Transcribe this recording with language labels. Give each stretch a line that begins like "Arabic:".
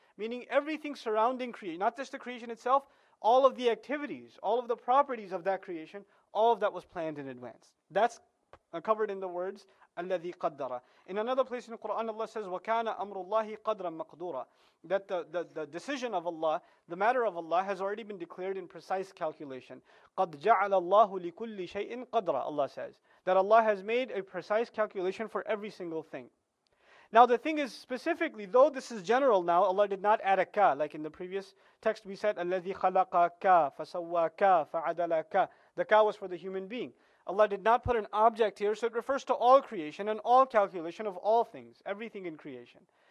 English: meaning everything surrounding creation, not just the creation itself, all of the activities, all of the properties of that creation, all of that was planned in advance. That's covered in the words,
Arabic: الَّذِي قَدَّرَ.
English: In another place in the Quran, Allah says,
Arabic: وَكَانَ أَمْرُ اللَّهِ قَدْرًا مَقْدُورًا.
English: That the decision of Allah, the matter of Allah, has already been declared in precise calculation.
Arabic: قَدْ جَعَلَ اللَّهُ لِكُلِّ شَيْءٍ قَدْرًا,
English: Allah says. That Allah has made a precise calculation for every single thing. Now the thing is, specifically, though this is general now, Allah did not add a ka. Like in the previous text we said,
Arabic: الَّذِي خَلَقَ
English: ka, فَسَوَّى ka, فَعَدَلَ ka. The ka was for the human being. Allah did not put an object here, so it refers to all creation and all calculation of all things, everything in creation.